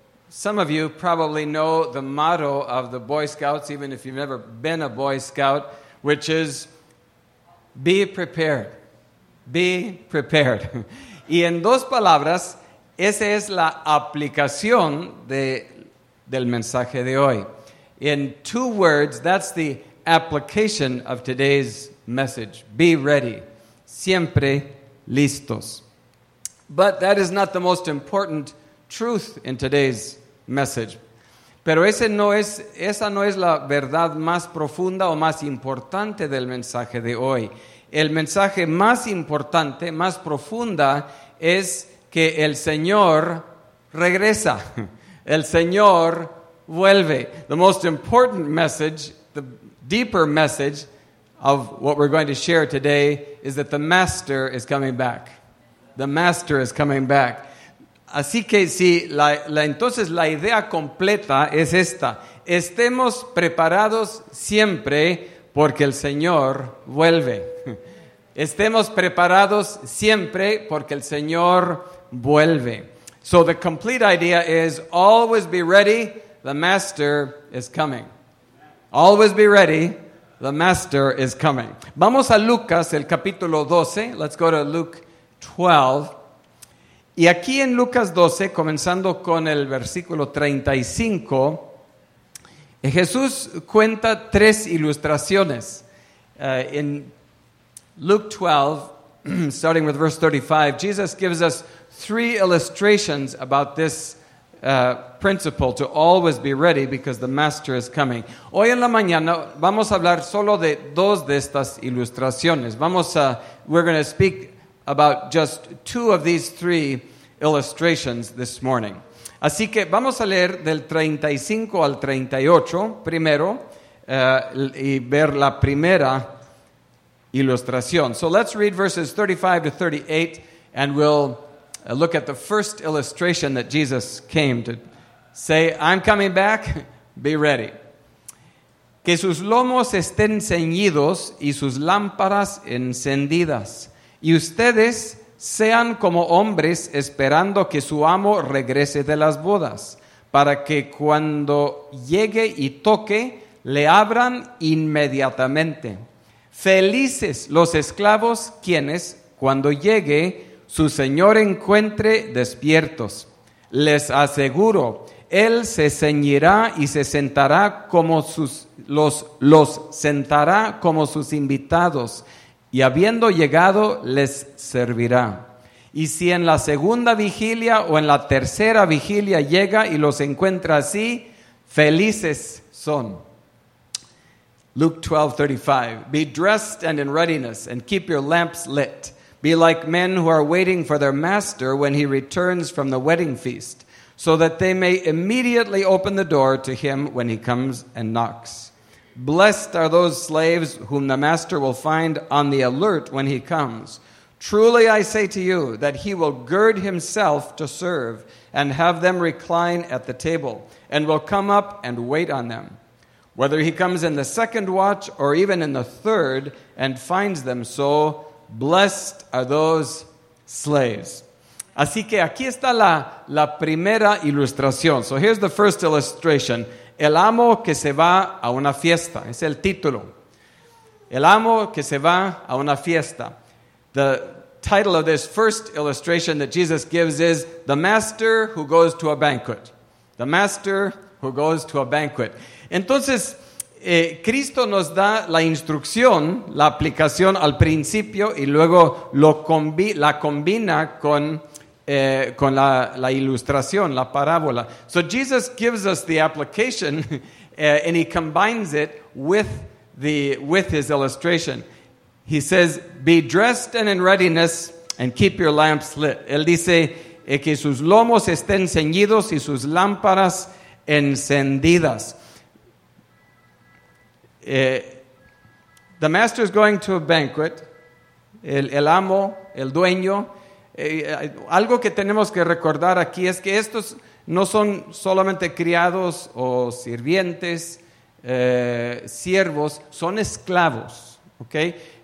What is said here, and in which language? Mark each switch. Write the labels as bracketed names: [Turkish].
[English] Some of you probably know the motto of the Boy Scouts, even if you've never been a Boy Scout, which is, be prepared. Be prepared. [Spanish] Y en dos palabras, esa es la aplicación del mensaje de hoy. [English] In two words, that's the application of today's message. Be ready. [Spanish] Siempre listos. [English] But that is not the most important truth in today's message. [Spanish] Pero esa no es la verdad más profunda o más importante del mensaje de hoy. El mensaje más importante, más profunda, es que el Señor regresa. El Señor vuelve. [English] The most important message, the deeper message of what we're going to share today, is that the Master is coming back. The Master is coming back. [Spanish] Así que si entonces la idea completa es esta, estemos preparados siempre porque el Señor vuelve. Estemos preparados siempre porque el Señor vuelve. [English] So the complete idea is always be ready, the Master is coming. Always be ready, the Master is coming. [Spanish] Vamos a Lucas, el capítulo 12. [English] Let's go to Luke 12. [Spanish] Y aquí en Lucas 12, comenzando con el versículo 35, Jesús cuenta tres ilustraciones. [English] In Luke 12, starting with verse 35, Jesus gives us three illustrations about this principle to always be ready because the Master is coming. [Spanish] Hoy en la mañana vamos a hablar solo de dos de estas ilustraciones. [English] We're going to speak about just two of these three illustrations this morning. [Spanish] Así que vamos a leer del 35 al 38 primero y ver la primera ilustración. [English] So let's read verses 35 to 38 and we'll look at the first illustration that Jesus came to say, I'm coming back, be ready. [Spanish] Que sus lomos estén ceñidos y sus lámparas encendidas. Y ustedes sean como hombres esperando que su amo regrese de las bodas, para que cuando llegue y toque, le abran inmediatamente. Felices los esclavos quienes, cuando llegue, su señor encuentre despiertos. Les aseguro, él se ceñirá y se sentará como los sentará como sus invitados, y habiendo llegado, les servirá. Y si en la segunda vigilia o en la tercera vigilia llega y los encuentra así, felices son. [English] Luke 12:35. Be dressed and in readiness, and keep your lamps lit. Be like men who are waiting for their master when he returns from the wedding feast, so that they may immediately open the door to him when he comes and knocks. Blessed are those slaves whom the master will find on the alert when he comes. Truly I say to you that he will gird himself to serve and have them recline at the table and will come up and wait on them. Whether he comes in the second watch or even in the third and finds them so, blessed are those slaves. [Spanish] Así que aquí está la primera ilustración. [English] So here's the first illustration. [Spanish] El amo que se va a una fiesta. Es el título. El amo que se va a una fiesta. [English] The title of this first illustration that Jesus gives is The Master Who Goes to a Banquet. The Master Who Goes to a Banquet. [Spanish] Entonces, Cristo nos da la instrucción, la aplicación al principio y luego la combina con con la ilustración, la parábola. [English] So Jesus gives us the application and he combines it with his illustration. He says, be dressed and in readiness and keep your lamps lit. [Spanish] Él dice que sus lomos estén ceñidos y sus lámparas encendidas. [English] The master is going to a banquet. [Spanish] El amo, el dueño. Algo que tenemos que recordar aquí es que estos no son solamente criados o sirvientes, siervos, son esclavos, ¿okay?